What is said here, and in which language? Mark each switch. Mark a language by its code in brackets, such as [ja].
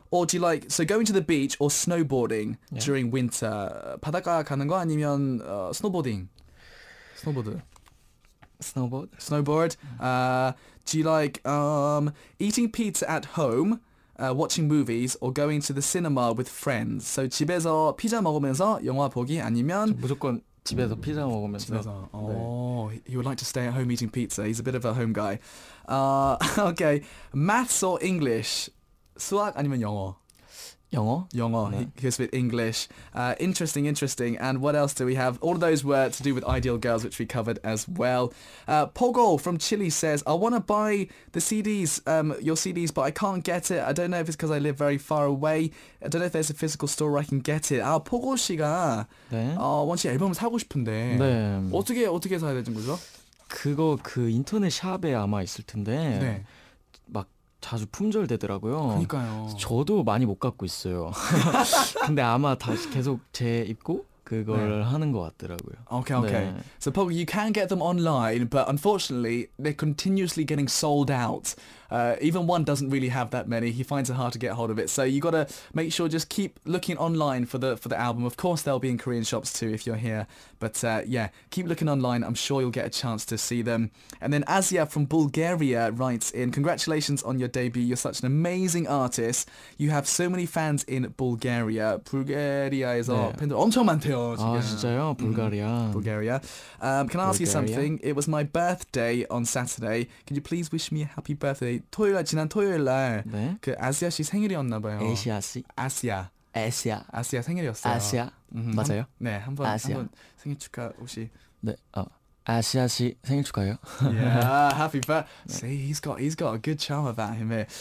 [en] Or do you like, so going to the beach or snowboarding during winter? [ko] 바닷가 가는 거 아니면 snowboarding? [en] Snowboard. Snowboard. Do you like eating pizza at home, watching movies, or going to the cinema with friends? [ko] So 집에서 피자 먹으면서 영화 보기 아니면? 무조건 집에서 피자 먹으면서. 집에서. [en] He would like to stay at home eating pizza. He's a bit of a home guy. okay. Maths or English? [ko] 수학 아니면 영어? 영어? 영어. [en] He goes with English. Interesting, interesting. And what else do we have? All of those were to do with ideal girls, which we covered as well. Pogo from Chile says, I want to buy the CDs, your CDs, but I can't get it. I don't know if it's because I live very far away. I don't know if there's a physical store where I can get it. [ko] 아, Pogo 씨가 원 씨 앨범을 사고 싶은데 네. 어떻게 사야 되는 거죠? 그거 그 인터넷 샵에 아마 있을 텐데 네. 자주 품절되더라고요. 그러니까요. 저도 많이 못 갖고 있어요. 근데 아마 다시 계속 재입고 그걸 네. 하는 것 같더라고요. [en] Okay, okay. 네. So, Pogo, you can get them online, but unfortunately, they're continuously getting sold out. Even one doesn't really have that many. He finds it hard to get hold of it. So you got to make sure just keep looking online for the album. Of course, they'll be in Korean shops too if you're here. But yeah, keep looking online. I'm sure you'll get a chance to see them. And then Asia from Bulgaria writes in, congratulations on your debut. You're such an amazing artist. You have so many fans in Bulgaria. [ko] Bulgaria에서 팬들 엄청 많대요. 아, 진짜요? Bulgaria. Mm-hmm. [en] Bulgaria. Can I ask you something? It was my birthday on Saturday. Can you please wish me a happy birthday? [ko] 토요일날 지난 토요일날 네? 그 아시아 씨 생일이었나 봐요. 아시아 씨. 아시아. 아시아 생일이었어요. 아시아. 맞아요. 네, 한번 생일 축하 혹시 네. 아시아 씨 생일 축하해요. [en] Yeah, happy birthday. See, he's got a good charm about him here.